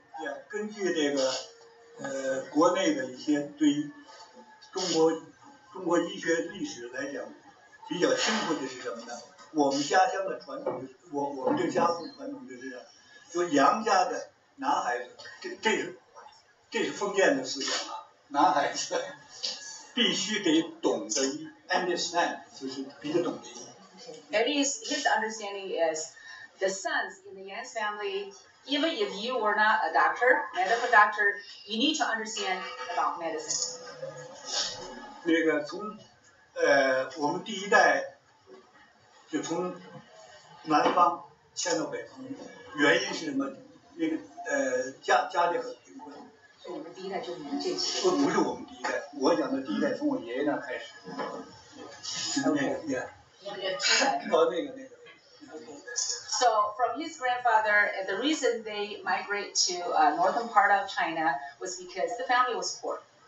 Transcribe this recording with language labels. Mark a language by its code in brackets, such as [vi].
[zh] Yeah, 根据这个国内的一些对中国医学历史来讲，比较清楚的是什么呢？我们家乡的传统，我们这家族传统就是这样，就杨家的男孩子，这是封建的思想啊，男孩子必须得懂得医 ， [en] understand， [zh] 就是比较懂得医。 [en] At least his understanding is the sons in the Yan's family, even if you were not a doctor, medical doctor, you need to understand about medicine. [zh] 那个从我们第一代就从南方迁到北方，原因是什么？那个家里很贫困。是我们第一代就是这些。不是我们第一代，我讲的第一代从我爷爷那开始。那个。 [en] So from his grandfather, the reason they migrate to northern part of China was because the family was poor.